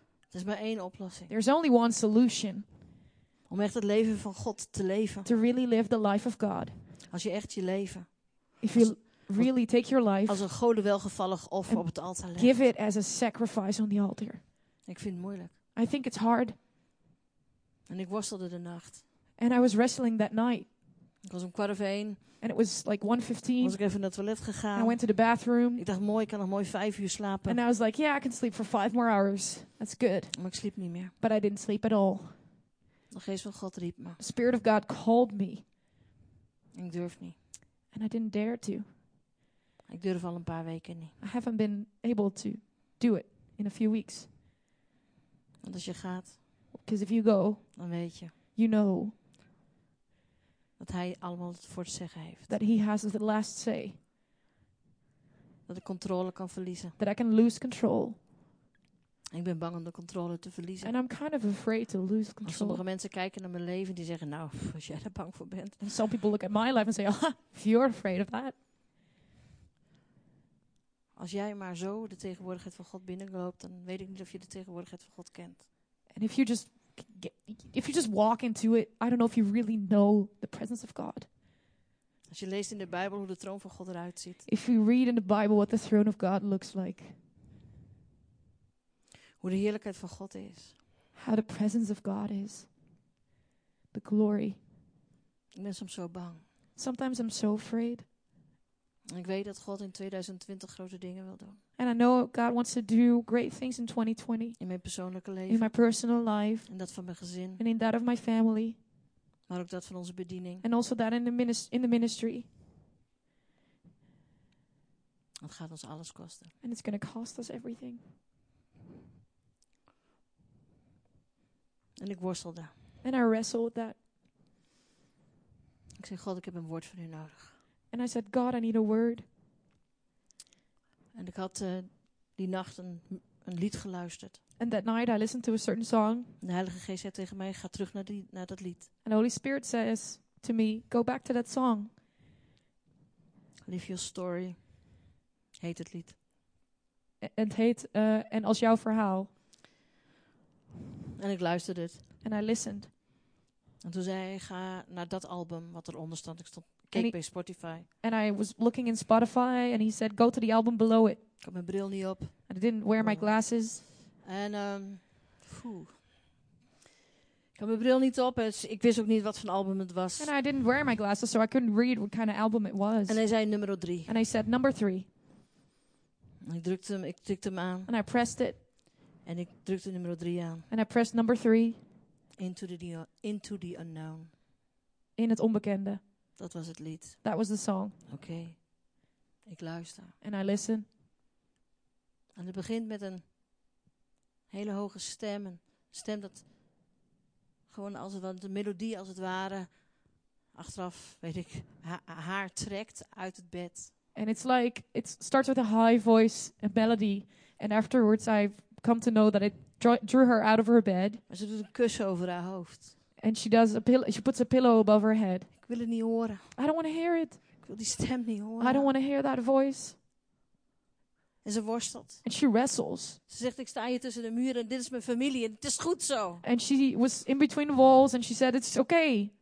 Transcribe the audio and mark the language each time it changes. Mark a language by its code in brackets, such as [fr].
[nl] Er is maar één oplossing. [en] There's only one solution. [nl] Om echt het leven van God te leven. [en] To really live the life of God. [nl] Als je echt je leven. [en] If you really take your life. [nl] Als een goden welgevallig offer op het altaar legt. [en] Give it as a sacrifice on the altar. [nl] Ik vind het moeilijk. [en] I think it's hard. [nl] En ik worstelde de nacht. [en] And I was wrestling that night. [nl] Ik was om 1:15. [en] And it was like 1:15. [nl] Was ik even naar het toilet gegaan. [en] And I went to the bathroom. [nl] Ik dacht mooi, ik kan nog mooi 5 uur slapen. [en] And I was like, yeah, I can sleep for 5 more hours. That's good. [nl] Maar ik sliep niet meer. [en] But I didn't sleep at all. [nl] De geest van God riep me. [en] The spirit of God called me. [nl] En ik durf niet. [en] And I didn't dare to. [nl] Ik durf al een paar weken niet. [en] I haven't been able to do it in a few weeks. [nl] Want als je gaat, [en] because if you go, [nl] dan weet je, [en] you know, [nl] dat hij allemaal het voor te zeggen heeft. [en] That he has the last say. [nl] Dat ik controle kan verliezen. [en] That I can lose control. [nl] En ik ben bang om de controle te verliezen. [en] And I'm kind of afraid to lose control. [nl] Als sommige mensen kijken naar mijn leven, die zeggen, nou, als jij er bang voor bent. [en] And some people look at my life and say, oh, if you're afraid of that. [nl] Als jij maar zo de tegenwoordigheid van God binnenloopt, dan weet ik niet of je de tegenwoordigheid van God kent. [en] And if you just walk into it, I don't know if you really know the presence of God. [nl] Als je leest in de Bijbel hoe de troon van God eruit ziet. [en] If you read in the Bible what the throne of God looks like. [nl] Hoe de heerlijkheid van God is. [en] How the presence of God is. The glory. [nl] Ik ben soms zo bang. [en] Sometimes I'm so afraid. [nl] Ik weet dat God in 2020 grote dingen wil doen. [en] And I know God wants to do great things in 2020. [nl] In mijn persoonlijke leven. [en] In my personal life. [nl] En dat van mijn gezin. [en] And in that of my family. [nl] Maar ook dat van onze bediening. [en] And also that in the ministry. [nl] Het gaat ons alles kosten. [en] And it's going to cost us everything. [nl] En ik worstel daar. [en] And I wrestle with that. [nl] Ik zeg, God, ik heb een woord van u nodig. [en] And I said, God, I need a word. [nl] En ik had die nacht een lied geluisterd. [en] And that night I listened to a certain song. [nl] De Heilige Geest zei tegen mij, ga terug naar dat lied. [en] And the Holy Spirit says to me, go back to that song. [nl] Live Your Story, heet het lied. Het heet, en als jouw verhaal. En ik luisterde het. [en] And I listened. [nl] En toen zei hij, ga naar dat album wat eronder stond. Ik stond, keek bij Spotify. [en] And I was looking in Spotify and he said, go to the album below it. [nl] Ik had mijn bril niet op. [en] And I didn't wear my glasses. [nl] En ik had mijn bril niet op, dus ik wist ook niet wat voor album het was. [en] And I didn't wear my glasses, so I couldn't read what kind of album it was. [nl] En hij zei nummer 3. [en] And I said number 3. [nl] En ik tikte hem aan. [en] And I pressed it. [nl] En ik drukte nummer 3 aan. [en] And I pressed number 3. Into the unknown. [nl] In het onbekende. Dat was het lied. [en] That was the song. [nl] Okay. Ik luister. [en] And I listen. [nl] En het begint met een hele hoge stem. Een stem dat gewoon als het de melodie als het ware achteraf, weet ik, haar trekt uit het bed. [en] And it's like, it starts with a high voice, a melody. And afterwards I've come to know that it drew her out of her bed. [nl] Maar ze doet een kus over haar hoofd. [en] And she puts a pillow above her head. [nl] Ik wil het niet horen. [en] I don't want to hear it. [nl] Ik wil die stem niet horen. [en] I don't want to hear that voice. [nl] En ze worstelt. [en] And she wrestles. [nl] Ze zegt, ik sta hier tussen de muren en dit is mijn familie en het is goed zo. [en] And she was in between the walls and she said, it's okay.